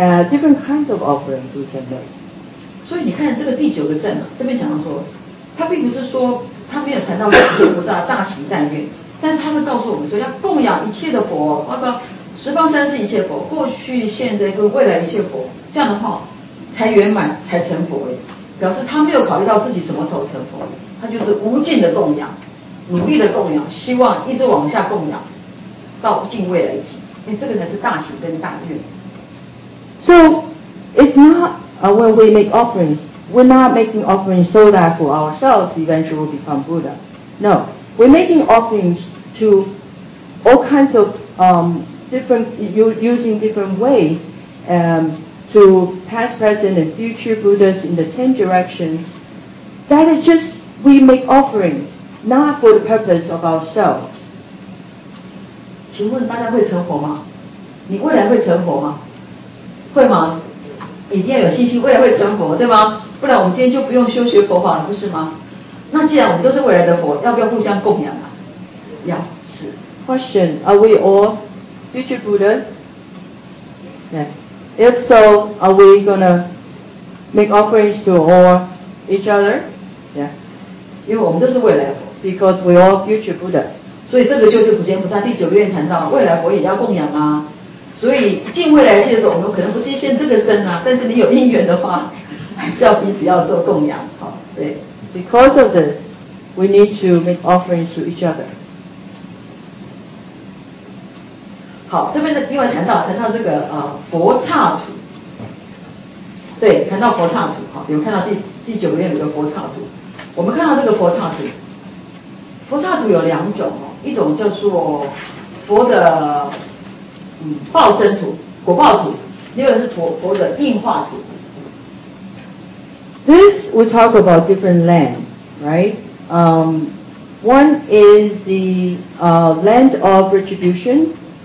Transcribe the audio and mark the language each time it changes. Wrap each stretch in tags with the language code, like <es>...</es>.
<en>Different kinds of offerings we can make.</en> <zh>所以你看这个第九个证啊，这边讲到说，他并不是说他没有谈到释迦牟尼佛大行大愿，但是他是告诉我们说要供养一切的佛，包括十方三世一切佛，过去、现在跟未来一切佛，这样的话才圆满，才成佛耶。表示他没有考虑到自己什么时候成佛，他就是无尽的供养，努力的供养，希望一直往下供养，到尽未来际。因为这个才是大行跟大愿。</zh> <en>So it's not when we make offerings, we're not making offerings so that for ourselves eventually will become Buddha. No, we're making offerings to all kinds of different, using different ways to past, present, and future Buddhas in the 10 directions. That is just we make offerings, not for the purpose of ourselves.</en> <zh>请问大家会成佛吗？你未来会成佛吗？会吗？一定要有信心未来会成佛，对吗？不然我们今天就不用修学佛法了，不是吗？那既然我们都是未来的佛，要不要互相供养啊？要，是。</zh> <en>Question, are we all future Buddhas? Yes. If so, are we going to make offerings to all each other? Yes.</en> <zh>因为我们都是未来佛。</zh> <en>Because we are all future Buddhas.</en> <zh>所以这个就是普贤菩萨第九个愿谈到未来佛也要供养啊。所以进未来界的时候，我们可能不是现这个身啊，但是你有因缘的话，还是要彼此要做供养。好，对。</zh> <en>Because of this, we need to make offerings to each other.</en> <zh>好，这边的另外谈到这个佛刹图，对，谈到佛刹图，好，有看到第九愿有个佛刹图，我们看到这个佛刹图，佛刹图有两种哦，一种叫做佛的报身图、果报图，另外是佛的应化图。</zh> <en>This we talk about different land, right? One is the land of retribution.</en>